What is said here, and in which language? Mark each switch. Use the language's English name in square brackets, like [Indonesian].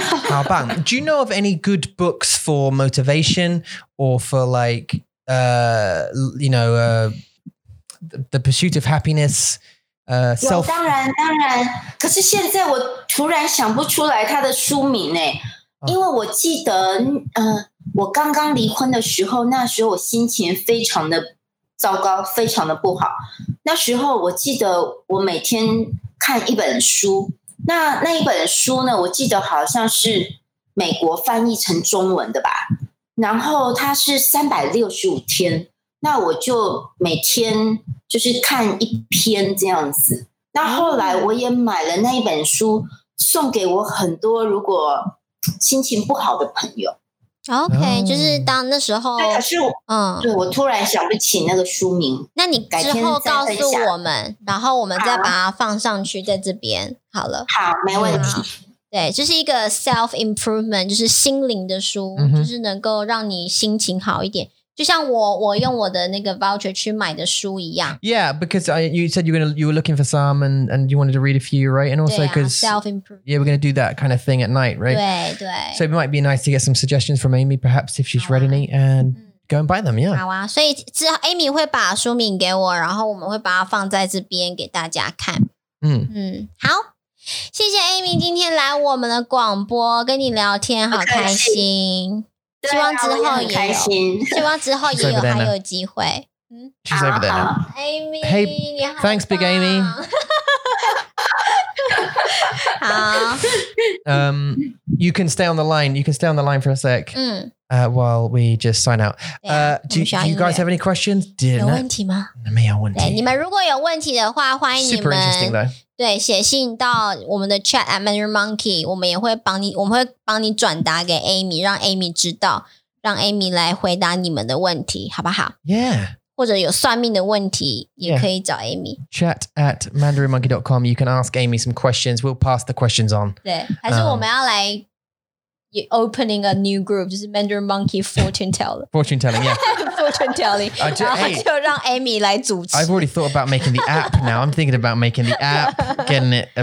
[Chinese] 好棒 [English] Do you know of any good books for motivation or for like you know the pursuit of happiness self [Chinese] 有当然当然可是现在我突然想不出来他的书名耶、oh. 因为我记得我刚刚离婚的时候那时候我心情非常的糟糕非常的不好那时候我记得我每天看一本书那一本书呢我记得好像是美国翻译成中文的吧然后它是365天那我就每天就是看一篇这样子那后来我也买了那一本书送给我很多如果心情不好的朋友 OK 就是当那时候对可是对我突然想不起那个书名那你之后告诉我们然后我们再把它放上去在这边好了好没问题、嗯、对就是一个 [English] self improvement [Chinese] 就是心灵的书、嗯、就是能够让你心情好一点就像我用我的那个 voucher 去买的书一样。 [English] Yeah, because you said you were looking for some and you wanted to read a few, right? And also because self-improvement. Yeah, we're going to do that kind of thing at night, right? [Chinese] 对对。 [English] So it might be nice to get some suggestions from Amy, perhaps if she's read any, and go and buy them, yeah. [Chinese] 好啊，所以之后 Amy 会把书名给我，然后我们会把它放在这边给大家看。嗯嗯，好。谢谢 Amy 今天来我们的广播跟你聊天，好开心。对啊，希望之后也开心，希望之后也有还有机会。 [English] 嗯，She's over there now. Amy, hey, [Chinese] 你好。 [English] Thanks, big Amy. [Chinese] 好。 [English] You can stay on the line. You can stay on the line for a sec. 嗯。While we just sign out. Do you guys have any questions? [Chinese] 有问题吗？没有问题。你们如果有问题的话，欢迎你们。 [English] Super interesting though. [Chinese] 对，写信到我们的 chat at Mandarin Monkey， 我们也会帮你，我们会帮你转达给 Amy， 让 Amy 知道，让 Amy 来回答你们的问题，好不好 [English] ？Yeah， [Chinese] 或者有算命的问题，也可以找 Amy。 [English] Yeah. Chat at mandarinmonkey.com， you can ask Amy some questions. We'll pass the questions on. [Chinese] 对，还是我们要来 [English] opening a new group， [Chinese] 就是 Mandarin Monkey Fortune Teller。 [English] Fortune telling， yeah。 Fortune telling, and then Amy [Chinese] 来主持。 [English] I've already thought about making the app now. I'm thinking about making the app, getting it.